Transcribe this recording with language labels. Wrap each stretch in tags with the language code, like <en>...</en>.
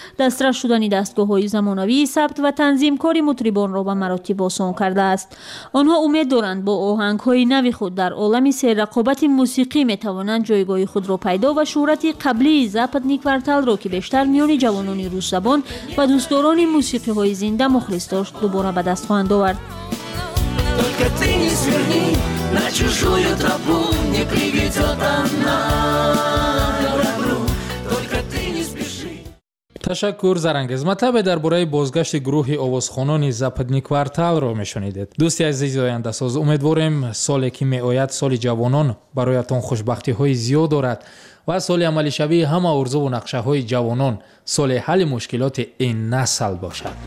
<fa>دسترس شدن دستگاه های زمانوی ثبت و تنظیم کاری مطربان را به مراتب آسان کرده است. آنها امید دارند با آهنگ های نوی خود در عالم سر رقابت موسیقی میتوانند جایگاه خود را پیدا و شهرت قبلی زاپادنی کوارتال را که بیشتر میان جوانان روس زبان و دوستداران موسیقی های زنده مخلص داشت دوباره به دست خواهند آورد.</fa> <ru>Только ты не сверни на чужую тропу, не приведет она.</ru> <fa>تشکر زرنگز. مطلب در برای بازگشت گروه آوازخوانان زاپادنی کوارتال رو میشنیدید. دوستی عزیز آینده ساز، امیدواریم سالی که می آید سال جوانان برایتون خوشبختی های زیاد دارد و سال عملی شوی همه ارزو و نقشه های جوانان سال حل مشکلات این نسل باشد.</fa>